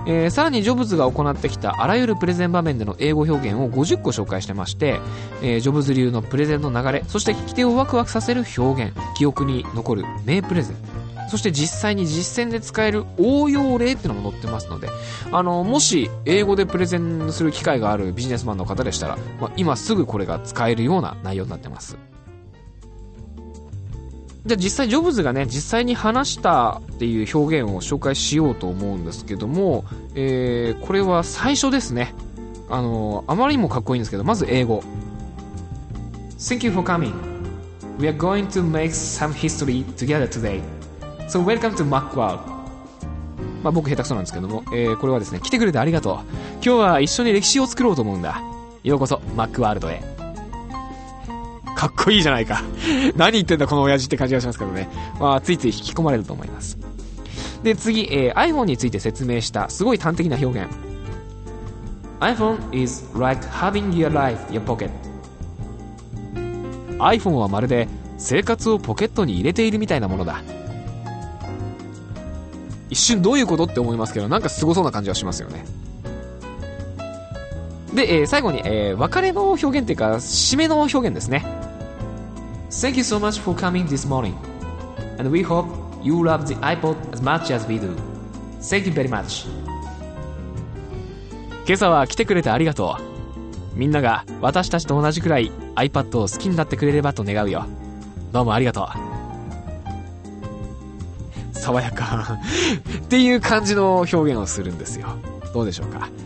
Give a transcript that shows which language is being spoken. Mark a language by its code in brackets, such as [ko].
[ja] さらにジョブズが行ってきたあらゆるプレゼン場面での英語表現を50個紹介してまして、ジョブズ流のプレゼンの流れ、そして聞き手をワクワクさせる表現、記憶に残る名プレゼン、そして実際に実践で使える応用例ってのも載ってますので、もし英語でプレゼンする機会があるビジネスマンの方でしたら、まあ、今すぐこれが使えるような内容になってます。じゃあ実際ジョブズがね、実際に話したっていう表現を紹介しようと思うんですけども、これは最初ですね。あまりにもかっこいいんですけど、まず英語。 [en] Thank you for coming. We are going to make some history together today. So welcome to Macworld. [ja] まあ僕下手くそなんですけども、これはですね、来てくれてありがとう。今日は一緒に歴史を作ろうと思うんだ。ようこそ Macworld へ。かっこいいじゃないか。何言ってんだこの親父って感じがしますけどね。まあ、ついつい引き込まれると思います。で、次、iPhone について説明したすごい端的な表現。 [en] iPhone is like having your life in your pocket. [ja] iPhone はまるで生活をポケットに入れているみたいなものだ。一瞬どういうことって思いますけど、なんかすごそうな感じはしますよね。で、最後に、別れの表現っていうか、締めの表現ですね。 [en] Thank you so much for coming this morning. And we hope you love the iPod as much as we do. Thank you very much. [ja] 今朝は来てくれてありがとう。みんなが私たちと同じくらい iPad を好きになってくれればと願うよ。どうもありがとう。爽やか。っていう感じの表現をするんですよ。どうでしょうか。